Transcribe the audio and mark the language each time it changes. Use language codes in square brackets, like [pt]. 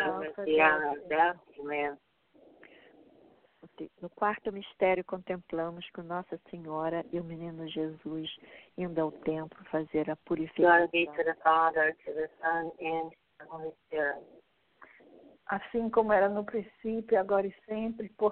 [en] Mother of God, pray for us sinners now and at the hour of death. Amen. [pt] No quarto mistério, contemplamos com Nossa Senhora e o Menino Jesus indo ao templo fazer a purificação. [en] Glory be to the Father, to the Son, and to the Holy Spirit. [pt] Assim como era no princípio, agora e sempre, por